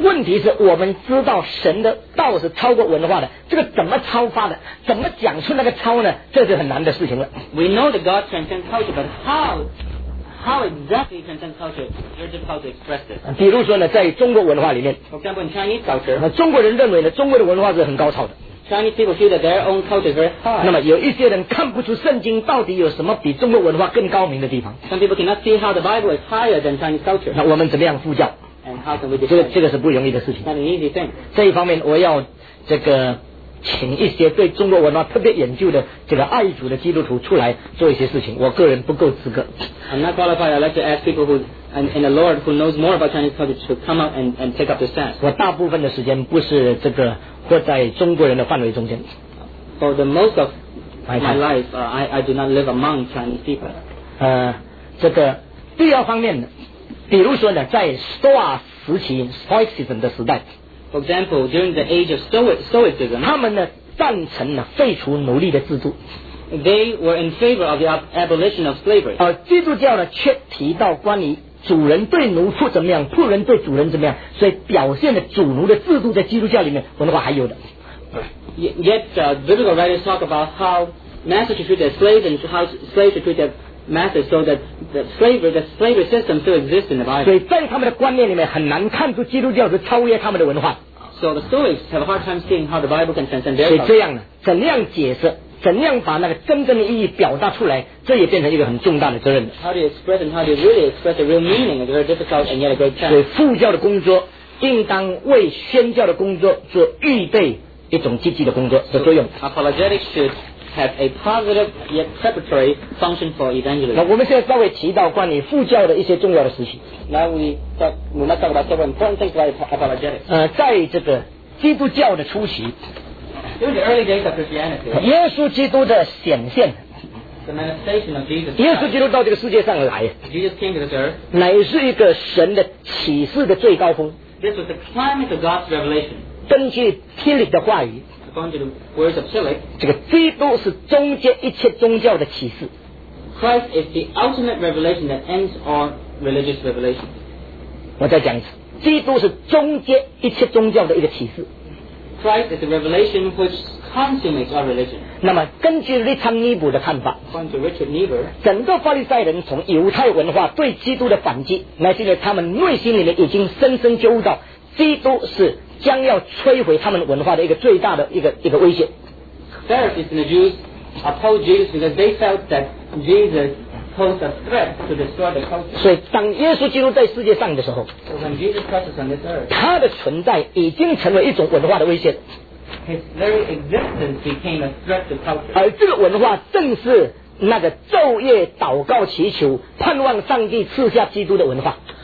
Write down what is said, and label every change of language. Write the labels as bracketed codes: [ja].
[zh] 问题是我们知道神的道是超过文化的，这个怎么超发的？怎么讲出那个超呢？这是很难的事情了。 [en] We know that God transcends culture, but how? How exactly transcends culture? You're just how to express this. [zh] 比如说呢，在中国文化里面 [en] ，For example, in Chinese culture, [zh] 中国人认为呢，中国的文化是很高超的。 [en] Chinese people feel that their own culture is very high. [zh] 那么有一些人看不出圣经到底有什么比中国文化更高明的地方。 [en] Some people cannot see how the Bible is higher than Chinese culture. [zh] 那我们怎么样复教 [en] ？And how can we do? [zh] 这个是不容易的事情。 [en] Not an easy thing. [zh] 这一方面，我要这个。请一些对中国文化特别研究的这个爱主的基督徒出来做一些事情，我个人不够资格。 [en] I'm not qualified. I'd like to ask people who and the Lord who knows more about Chinese culture to come out and take up the stand. [zh] 我大部分的时间不是这个活在中国人的范围中间。 [en] For the most of my life, I do not live among Chinese people. [zh] 这个第二方面，比如说呢，在 Stoicism 的时代。 [en] For example, during the age of Stoicism, [zh] 他们呢赞成呢废除奴隶的制度。 [en] They were in favor of the abolition of slavery. [zh] 而基督教呢却提到关于主人对奴仆怎么样，仆人对主人怎么样，所以表现的主奴的制度在基督教里面文化还有的。 [en] Yet, biblical writers talk about how masters should treat their slaves and how slaves should treat their masters so that the slavery system still exists in the Bible. [zh] 所以在他们的观念里面很难看出基督教是超越他们的文化。 [en] So the Stoics have a hard time seeing how the Bible can transcend their culture. [zh] 所以这样呢，怎样解释，怎样把那个真正的意义表达出来，这也变成一个很重大的责任。 [en] How do you express and how do you really express the real meaning is very difficult and yet a great challenge. [zh] 所以副教的工作应当为宣教的工作做预备一种积极的工作的作用。 [en] Apologetics should. Have a positive yet preparatory function for evangelism. [zh] 那我们现在稍微提到关于副教的一些重要的事情。 [en] Now we must talk about several important things like apologetics. [zh] 在这个基督教的初期 [en] ，during the early days of Christianity, [zh] 耶稣基督的显现 [en] ，the manifestation of Jesus. [zh] 耶稣基督到这个世界上来 [en] ，Jesus came to this earth. [zh] 乃是一个神的启示的最高峰。 [en] This was the climax of God's revelation. [zh] 根据天理的话语。 [en] Words of Philip, [zh] 这个基督是终结一切宗教的启示。 [en] Christ is the ultimate revelation that ends all religious revelation. [zh] 我再讲一次，基督是终结一切宗教的一个启示。 [en] Christ is the revelation which consummates our religion. [zh] 那么根据 Richard Niebuhr 的看法 [en] ，According to Richard Niebuhr, [zh] 整个法利赛人从犹太文化对基督的反击，乃是因为他们内心里面已经深深觉悟到基督是。将要摧毁他们文化的一个最大的一个威胁。 [en] Pharisees and the Jews opposed Jesus because they felt that Jesus pose a threat to destroy the culture. [zh] 所以当耶稣基督在世界上的时候 [en] when Jesus Christ is on this earth, [zh] 他的存在已经成为一种文化的威胁 [en] His very existence became a threat to culture. [zh] 而这个文化正是那个昼夜祷告祈求盼望上帝赐下基督的文化